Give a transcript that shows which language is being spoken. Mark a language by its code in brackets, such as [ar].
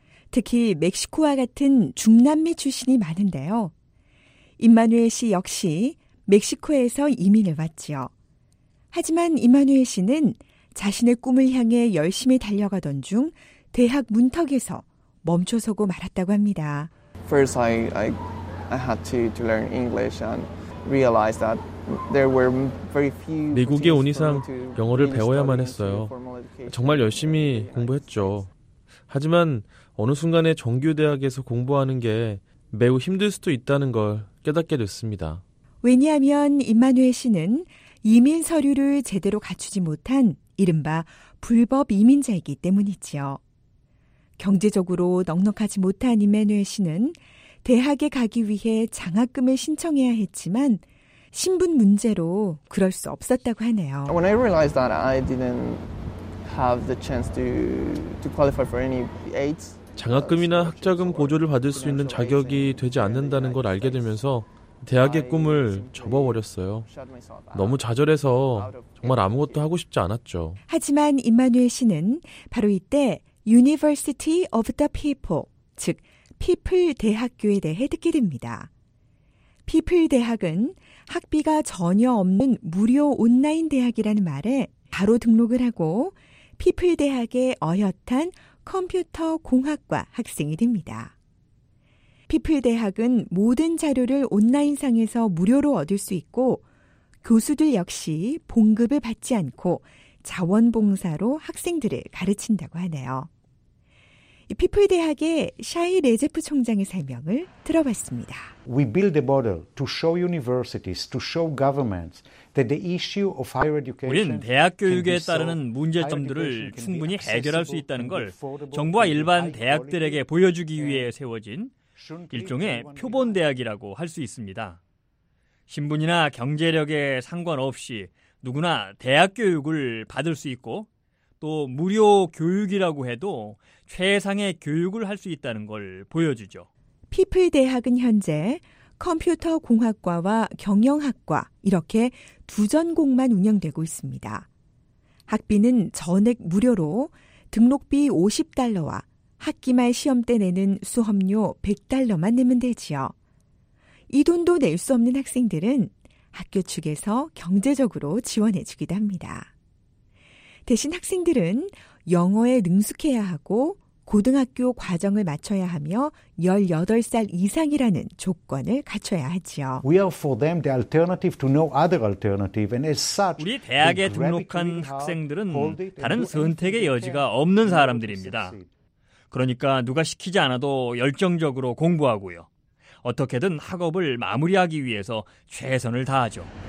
[ko] 특히 멕시코와 같은 중남미 출신이 많은데요. 임마누엘 씨 역시 멕시코에서 이민을 왔지요. 하지만 임마누엘 씨는 자신의 꿈을 향해 열심히 달려가던 중 대학 문턱에서 멈춰서고 말았다고 합니다. [en] First, I had to learn English and realize that there were very few. [ko] 미국에 온 이상 영어를 배워야만 했어요. 정말 열심히 공부했죠. 하지만 어느 순간에 정규 대학에서 공부하는 게 매우 힘들 수도 있다는 걸 깨닫게 됐습니다. 왜냐하면 임마누엘 씨는 이민 서류를 제대로 갖추지 못한 이른바 불법 이민자이기 때문이지요. 경제적으로 넉넉하지 못한 임마누엘 씨는 대학에 가기 위해 장학금을 신청해야 했지만 신분 문제로 그럴 수 없었다고 하네요. [en] When I realized that I didn't have the chance to qualify for any aids. [ko] 장학금이나 학자금 보조를 받을 수 있는 자격이 되지 않는다는 걸 알게 되면서 대학의 꿈을 접어버렸어요. 너무 좌절해서 정말 아무것도 하고 싶지 않았죠. 하지만 임마누엘 씨는 바로 이때 University of the People, 즉 피플 대학교에 대해 듣게 됩니다. 피플 대학은 학비가 전혀 없는 무료 온라인 대학이라는 말에 바로 등록을 하고 피플 대학의 어엿한 컴퓨터 공학과 학생이 됩니다. 피플 대학은 모든 자료를 온라인상에서 무료로 얻을 수 있고 교수들 역시 봉급을 받지 않고 자원봉사로 학생들을 가르친다고 하네요. 피플 대학의 샤이 레제프 총장의 설명을 들어봤습니다. [en] We build a model to show universities, to show governments that the issue of higher education. [ko] 우리는 대학 교육에 따르는 문제점들을 충분히 해결할 수 있다는 걸 정부와 일반 대학들에게 보여주기 위해 세워진 일종의 표본 대학이라고 할 수 있습니다. 신분이나 경제력에 상관없이 누구나 대학 교육을 받을 수 있고 또 무료 교육이라고 해도 최상의 교육을 할 수 있다는 걸 보여주죠. 피플 대학은 현재 컴퓨터 공학과와 경영학과 이렇게 두 전공만 운영되고 있습니다. 학비는 전액 무료로 등록비 $50와 학기 말 시험 때 내는 수업료 $100만 내면 되지요. 이 돈도 낼 수 없는 학생들은 학교 측에서 경제적으로 지원해 주기도 합니다. 대신 학생들은 영어에 능숙해야 하고 고등학교 과정을 마쳐야 하며 18살 이상이라는 조건을 갖춰야 하지요. [en] We are for them the alternative to no other alternative and as such [ko] 우리 대학에 등록한 학생들은 다른 선택의 여지가 없는 사람들입니다. 그러니까 누가 시키지 않아도 열정적으로 공부하고요. 어떻게든 학업을 마무리하기 위해서 최선을 다하죠.